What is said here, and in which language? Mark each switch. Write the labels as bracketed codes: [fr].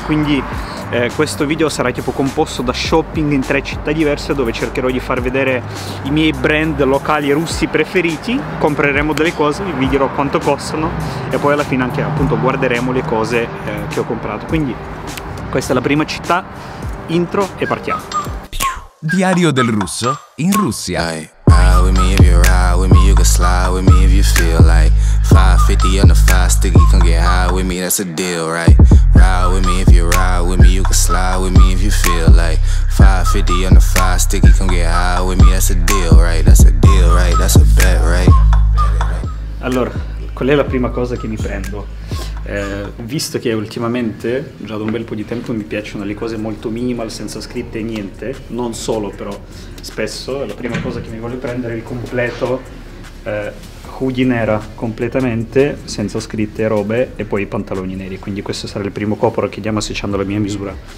[it] Quindi questo video sarà tipo composto da shopping in tre città diverse, dove cercherò di far vedere i miei brand locali russi preferiti. Compreremo delle cose, vi dirò quanto costano e poi alla fine anche appunto guarderemo le cose che ho comprato. Quindi questa è la prima città. Intro e partiamo. Diario del Russo in Russia. [en] Ride with me if you ride with me, you can slide with me if you feel like 550 on the 5 sticky, can get high with me, that's a deal, right? Ride with me if you ride with me, you can slide with me if you feel like 550 on the 5 sticky, can get high with me, that's a deal, right? That's a deal, right? That's a bet, right? [it] Allora, qual è la prima cosa che mi prendo? Visto che ultimamente, già da un bel po' di tempo, mi piacciono le cose molto minimal, senza scritte e niente, non solo però, spesso, la prima cosa che mi voglio prendere è il completo hoodie nera completamente, senza scritte e robe, e poi i pantaloni neri, quindi questo sarà il primo corpo che diamo associando la mia misura.